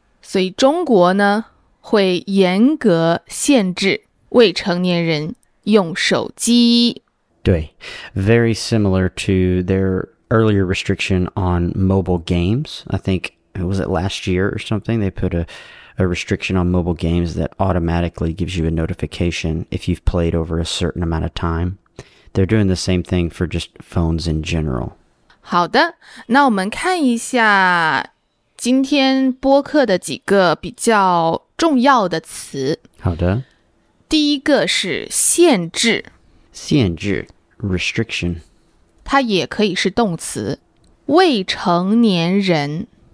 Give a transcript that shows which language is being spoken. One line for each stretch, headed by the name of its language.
Chinese: 所以中国呢会严格限制未成年人用手机。
English: 对, very similar to their earlier restriction on mobile games, I think. Was it last year or something? They put a restriction on mobile games that automatically gives you a notification if you've played over a certain amount of time. They're doing the same thing for just phones in general.
Chinese: 好的，那我们看一下今天播客的几个比较重要的词。好的。第一个是限制。限制 ,restriction. 它也可以是动词。未成年人。